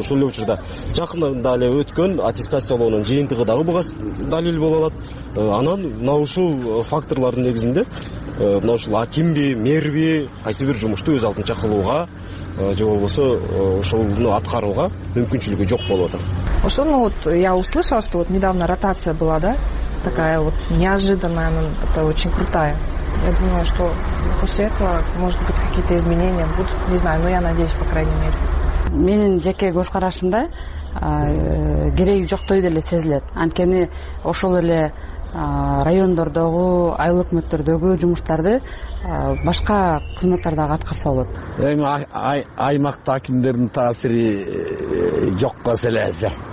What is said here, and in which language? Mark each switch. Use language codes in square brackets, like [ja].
[ky] Ошол эле учурда жакында эле өткөн аттестациялоонун жыйынтыгы дагы буга далил боло алат. Анан мына ушул факторлордун негизинде мына ушул акимби, мэрби кайсы бир жумушту өз алдынча кылууга же болбосо ошолду аткарууга мүмкүнчүлүгү жок болуп атат. Ошону [ru] вот я услышала, что вот недавно ротация была, да? Такая вот неожиданная, это очень крутая. Я думаю, что после этого, может быть, какие-то изменения будут. Не знаю, но я надеюсь, по крайней мере. [ky] Менин жеке көз карашымда кереги жоктой деле сезилет. Анткени ошол эле райондордогу, айылдык өкмөттөрдөгү жумуштарды башка кызматтар дагы аткарса болот. Эми аймакта акимдердин таасири жокко селеси.